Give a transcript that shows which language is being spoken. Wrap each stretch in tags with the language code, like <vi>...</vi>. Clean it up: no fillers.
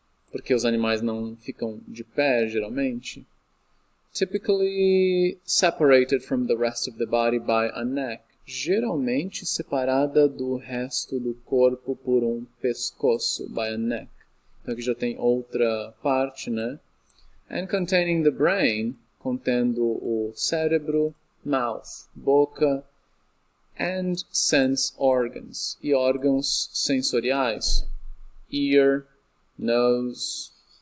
<pt>Porque os animais não ficam de pé, geralmente.</pt> <en>Typically separated from the rest of the body by a neck.</en> <pt>Geralmente separada do resto do corpo por um pescoço,</pt> <en>by a neck.</en> <pt>Então aqui já tem outra parte, né?</pt> <en>And containing the brain,</en> <pt>contendo o cérebro, mouth, boca,</pt> <en>and sense organs,</en> <pt>e órgãos sensoriais,</pt> <en>ear, nose.</en>